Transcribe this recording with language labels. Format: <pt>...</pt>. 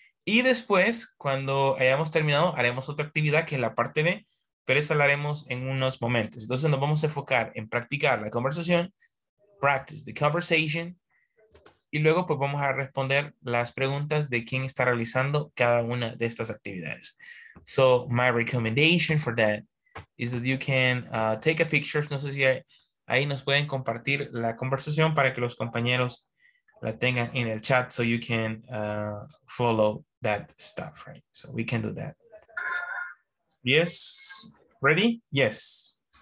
<es>Y después, cuando hayamos terminado, haremos otra actividad que es la parte B. Pero eso lo haremos en unos momentos. Entonces nos vamos a enfocar en practicar la conversación.</es> <en>Practice the conversation.</en> <es>Y luego pues vamos a responder las preguntas de quién está realizando cada una de estas actividades.</es> <en>So my recommendation for that is that you can take a picture.</en> <es>No sé si ahí nos pueden compartir la conversación para que los compañeros la tengan en el chat.</es> <en>So you can follow that stuff, right? So we can do that. Yes. Ready? Yes.</en>